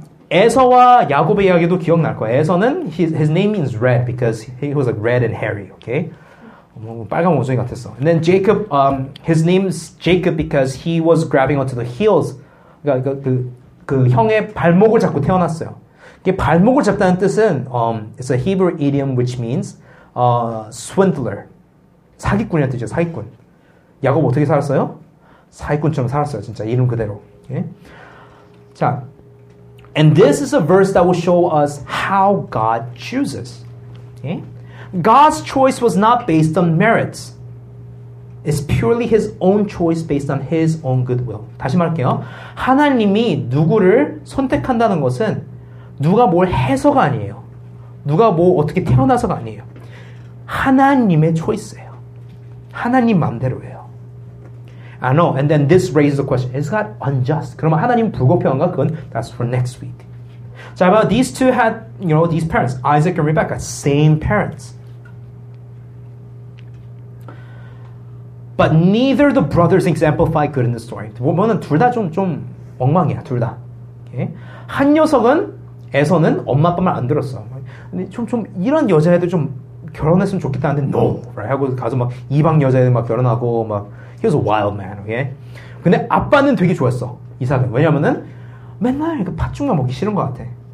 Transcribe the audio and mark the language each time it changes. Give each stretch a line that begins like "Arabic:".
Korean: 에서와 야곱의 이야기도 기억날 거예요.
English: 에서는 his name means red because he was like red and hairy.
Korean: Okay? 빨간 원숭이 같았어.
English: And then Jacob, his name's Jacob because he was grabbing onto the heels.
Korean: 그러니까 그 형의 발목을 잡고 태어났어요. 이게 발목을 잡다는 뜻은
English: it's a Hebrew idiom which means swindler.
Korean: 사기꾼이란 뜻이죠, 사기꾼. 야곱 어떻게 살았어요? 사기꾼처럼 살았어요, 진짜 이름 그대로. 예?
English: 자, and this is a verse that will show us how God chooses. Okay? God's choice was not based on merits. It's purely His own choice based on His own goodwill.
Korean: 다시 말할게요. 하나님이 누구를 선택한다는 것은 누가 뭘 해서가 아니에요. 누가 뭐 어떻게 태어나서가 아니에요. 하나님의 choice예요. 하나님 마음대로예요.
English: I know. And then this raises the question: Is God unjust?
Korean: 그러면 하나님 불공평한가? 그건
English: that's for next week. So about these two had, you know, these parents, Isaac and Rebecca, same parents. But neither the brothers exemplify good in the story.
Korean: 보면은 둘 다 좀 엉망이야, 둘 다.
English: Okay?
Korean: 한 녀석은 에서는 엄마 아빠 말 안 들었어. 근데 좀 이런 여자애들 좀 결혼했으면 좋겠다 하는데 no. Right? 하고 가서 막 이방 여자애들 막 결혼하고 막
English: he was a wild man. Okay?
Korean: 근데 아빠는 되게 좋았어. 이삭은. 왜냐면은 맨날 그 팥죽만 먹기 싫은 것 같아.